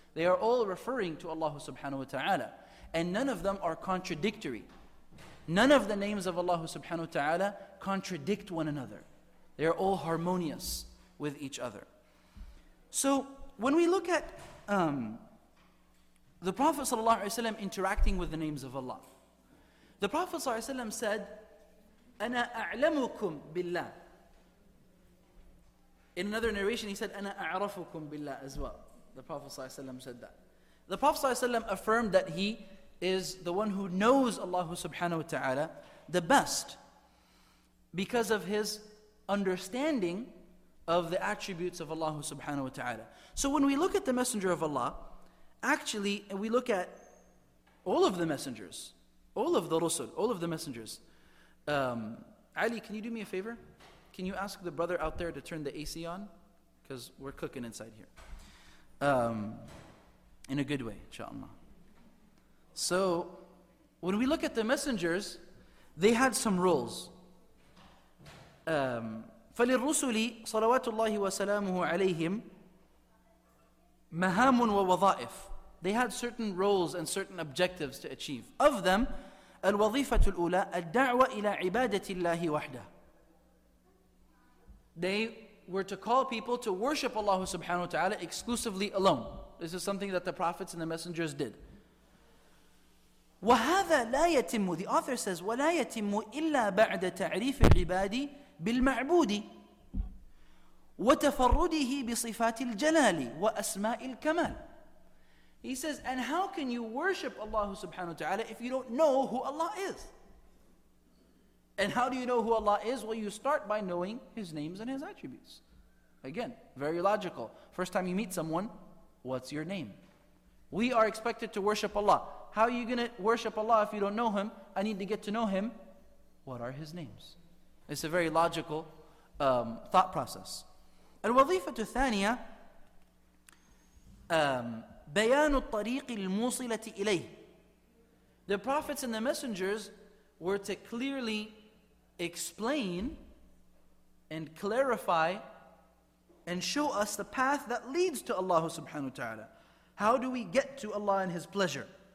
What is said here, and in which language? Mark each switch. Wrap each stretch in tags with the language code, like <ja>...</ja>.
<en>They are all referring to Allah subhanahu wa ta'ala. And none of them are contradictory. None of the names of Allah subhanahu wa ta'ala contradict one another. They are all harmonious with each other. So when we look at the Prophet sallallahu alaihi wasallam interacting with the names of Allah, The Prophet ﷺ said,</en> <ar>أَنَا أَعْلَمُكُمْ بِاللَّهِ.</ar> <en>In another narration, he said,</en> <ar>أَنَا أَعْرَفُكُمْ بِاللَّهِ</ar> <en>as well. The Prophet ﷺ said that. The Prophet ﷺ affirmed that he is the one who knows Allah subhanahu wa ta'ala the best because of his understanding of the attributes of Allah subhanahu wa ta'ala. So when we look at the Messenger of Allah, actually, we look at all of the messengers, all of the Rusul, all of the messengers. Ali, can you do me a favor? Can you ask the brother out there to turn the AC on? Because we're cooking inside here. In a good way, inshallah. So, when we look at the messengers, they had some rules.</en> <ar>فَلِلْرُسُلِ صَلَوَاتُ اللَّهِ وَسَلَامُهُ عَلَيْهِمْ مَهَامٌ وَوَظَائِفٌ.</ar> <en>They had certain roles and certain objectives to achieve. Of them,</en> <ar>الْوَظِيفَةُ الْأُولَى الدَّعْوَ إِلَىٰ عِبَادَةِ اللَّهِ وَحْدَهِ.</ar> <en>They were to call people to worship Allah subhanahu wa ta'ala exclusively alone. This is something that the prophets and the messengers did.</en> <ar>وَهَذَا لَا يَتِمُّ.</ar> <en>The author says,</en> <ar>وَلَا يَتِمُّ إِلَّا بَعْدَ تَعْرِيفِ الْعِبَادِ بِالْمَعْبُودِ وَتَفَرُّدِهِ بِصِفَاتِ الْجَلَالِ وَأَسْمَاءِ الْكَمَالِ.</ar> <en>He says, and how can you worship Allah subhanahu wa ta'ala if you don't know who Allah is? And how do you know who Allah is? Well, you start by knowing His names and His attributes. Again, very logical. First time you meet someone, what's your name? We are expected to worship Allah. How are you going to worship Allah if you don't know Him? I need to get to know Him. What are His names? It's a very logical thought process.</en> <ar>Al-wazifatu thaniya, بَيَانُ الطَّرِيقِ الْمُوصِلَةِ إِلَيْهِ.</ar> <en>The prophets and the messengers were to clearly explain and clarify and show us the path that leads to Allah subhanahu wa ta'ala. How do we get to Allah and His pleasure?</en>